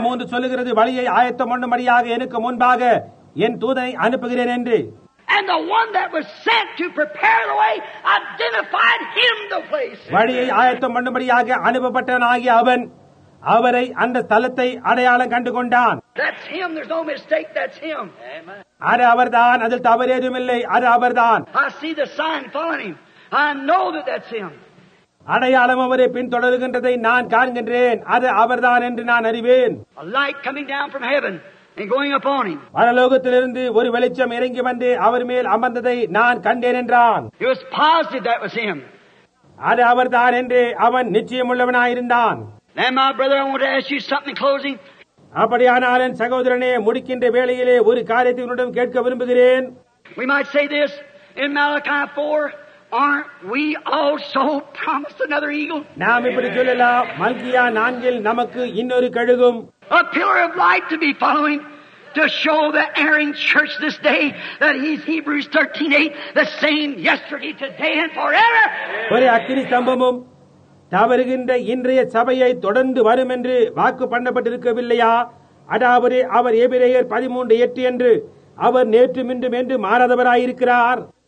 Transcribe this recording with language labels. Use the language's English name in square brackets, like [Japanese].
[Tamil] 3 சொல்லுகிறது, வழியை ஆயத்தம் பண்ணும்படியாக எனக்கு முன்பாக என் தூதனை அனுப்புகிறேன் என்று. [English] And the one that was sent to prepare the way identified him the place. [Tamil] வழியை ஆயத்தம் பண்ணும்படியாக அனுப்பப்பட்டவனாகிய அவன் அவரை அந்த ஸ்தலத்தை அடையாளம் கண்டுகொண்டான். [English] That's him. There's no mistake. That's him. Amen. [Tamil] அது அவர்தான். அதில் தவறேதும் இல்லை. அது அவர்தான். [English] I see the sign following him. I know that that's him. [Tamil] அடையாளம் அவரை பின்தொடர்கின்றதை நான் காண்கின்றேன். அது அவர்தான் என்று நான் அறிவேன். [English] A light coming down from heaven and going upon him. [Tamil] பரலோகத்திலிருந்து ஒரு வெளிச்சம் இறங்கி வந்து அவர் மேல் அமர்ந்ததை நான் கண்டேன் என்றான். [English] He was positive that was him. [Tamil] அது அவர்தான் என்று அவன் நிச்சயமுள்ளவனாயிருந்தான். [English] Now, my brother, I want to ask you something in closing. [Tamil] அப்படியானால் என் சகோதரனே, முடிக்கின்ற வேளையிலே ஒரு காரியத்தை உன்னிடம் கேட்க விரும்புகிறேன். [English] We might say this in Malachi 4, aren't we also promised another eagle? [Tamil] நாம் இப்படி சொல்லலாம், மல்கியா 4 நமக்கு இன்னொரு கழுகும். [English] A pillar of light to be following to show the erring church this day that he's Hebrews 13:8, the same yesterday, today and forever. [Tamil] ஒரு அக்கினி ஸ்தம்பமும் தவறுகின்ற இன்றைய சபையை தொடர்ந்து வரும் என்று வாக்கு பண்ணப்பட்டிருக்கவில்லையா? அதாவது அவர் எபிரேயர் 13:8 என்று அவர் நேற்றும் இன்றும் என்று மாறாதவராயிருக்கிறார்.